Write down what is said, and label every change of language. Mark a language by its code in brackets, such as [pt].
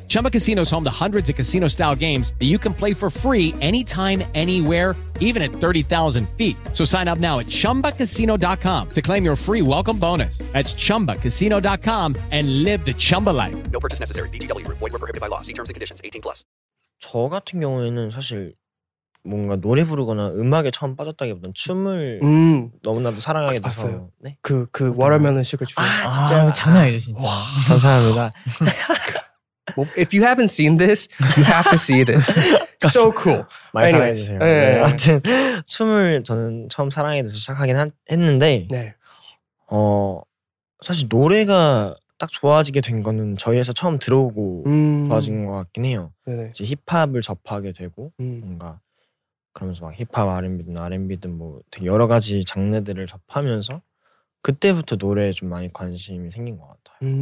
[en] Chumba Casino is home to hundreds of casino-style games that you can play for free anytime, anywhere, even at 30,000 feet. So sign up now at ChumbaCasino.com to claim your free welcome bonus. That's ChumbaCasino.com and live the Chumba life. No purchase necessary. VGW. Void where prohibited by law. See terms and conditions. 18+. [ko] 저 같은 경우에는 사실 뭔가 노래 부르거나 음악에 처음 빠졌다기보다는 춤을 너무나도 사랑하게 그, 돼서 네? 그 워터멜론 식을 추고 아 진짜 아, 장난 아니죠 진짜 와. 감사합니다. [en] Well, if you haven't seen this, you have to see this. So cool. [ko] 많이 사랑해 주세요. 네. 네. 아무튼 춤을 저는 처음 사랑에 대해서 시작하긴 했는데 네. 사실 노래가 딱 좋아지게 된 거는 저희에서 처음 들어오고 좋아진 것 같긴 해요. 네네. 이제 힙합을 접하게 되고 뭔가 그러면서 막 힙합, R&B든 R&B든 뭐 되게 여러 가지 장르들을 접하면서 그때부터 노래에 좀 많이 관심이 생긴 것 같아요.